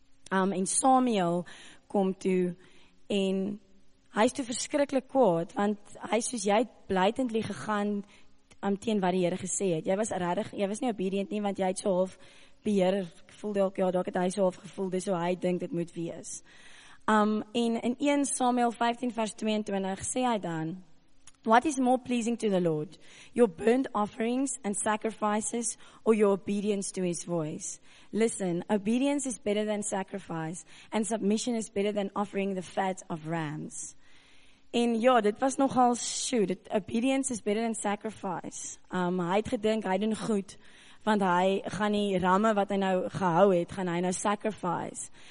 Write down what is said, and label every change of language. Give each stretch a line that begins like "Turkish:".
Afrikaans: En Samuel kom toe en hy is toe verskriklik kwaad, want hy soos jy het blytendlik gegaan teen wat die Here gesê het. Jy was regtig, jy was nie obedient nie, want jy het so half beheer, voel dalk, ja, dalk het hy so half gevoel, dis hoe hy dink dit moet wees. En in 1 Samuel 15 vers 22 sê hy dan,
English: "What is more pleasing to the Lord, your burnt offerings and sacrifices, or your obedience to his voice? Listen, obedience is better than sacrifice, and submission is better than offering the fat of rams."
Afrikaans: En ja, dit was nogal so,
English: obedience is better than sacrifice.
Afrikaans: Hy het gedink, hy doen goed, want hy gaan die ramme wat hy nou gehou het, gaan hy nou sacrifice.